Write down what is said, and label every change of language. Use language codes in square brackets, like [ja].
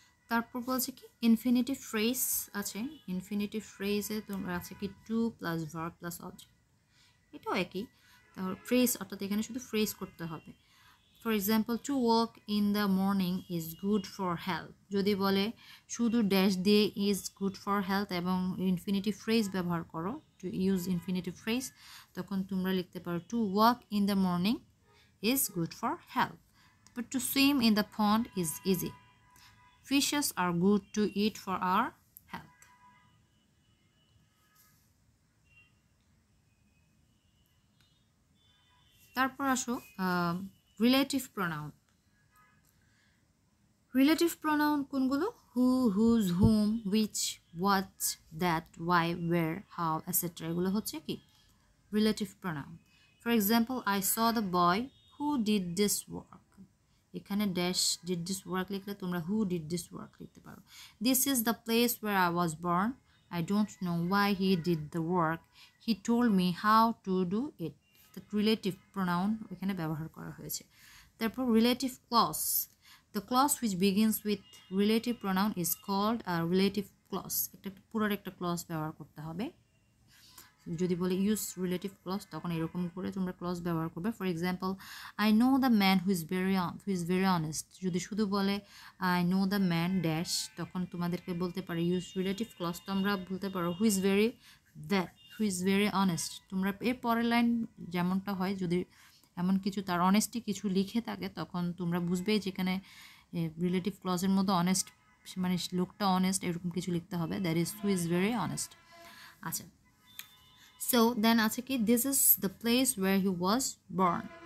[bn] তারপর বলছে কি ইনফিনিটিভ ফ্রেজ আছে, ইনফিনিটিভ ফ্রেজে তোমরা আছে কি two plus verb plus object, এটাও একই। তাহলে ফ্রেজ অর্থাৎ এখানে শুধু ফ্রেজ করতে হবে, [en] For example, to walk in the morning is good for health. [bn] যদি বলে শুধু ড্যাশ দিয়ে [en] is good for health [bn] এবং [en] infinitive phrase [bn] ব্যবহার করো, [en] to use infinitive phrase, [bn] তখন তোমরা লিখতে পারো [en] to walk in the morning is good for health. But to swim in the pond is easy. Fishes are good to eat for our health. [bn] তারপর আসো relative pronoun. [en] Relative pronoun [bn] kungulu, [en] who, whose, whom, which, what, that, why, where, how, etc. Relative pronoun. For example, I saw the boy who did this work. [bn] Ekhane dash [en] did this work [bn] likhle tumra [en] who did this work [bn] likhte paro. [en] This is the place where I was born. I don't know why he did the work. He told me how to do it. [bn] That relative pronoun এখানে ব্যবহার করা হয়েছে. তারপর [en] relative clause, the clause which begins with relative pronoun is called a relative clause. [bn] একটা পুরো একটা clause ব্যবহার করতে হবে. যদি বলে [en] use relative clause [bn] তখন এরকম করে তোমরা clause ব্যবহার করবে. [en] For example, I know the man who is very honest. [bn] যদি শুধু বলে [en] I know the man [bn] dash তখন তোমাদেরকে বলতে পারে [en] use relative clause. [bn] তোমরা বলতে পারো [en] who is very that. Who is very honest. [bn] তোমরা এর পরের লাইন যেমনটা হয় যদি এমন কিছু তার অনেস্টি কিছু লিখে থাকে তখন তোমরা বুঝবে যেখানে রিলেটিভ ক্লজের মধ্যে অনেস্ট মানে লোকটা অনেস্ট এরকম কিছু লিখতে হবে. [en] That is who is very honest. [bn] আচ্ছা, [en] so then [bn] আছে কি [en] This is the place where he was born.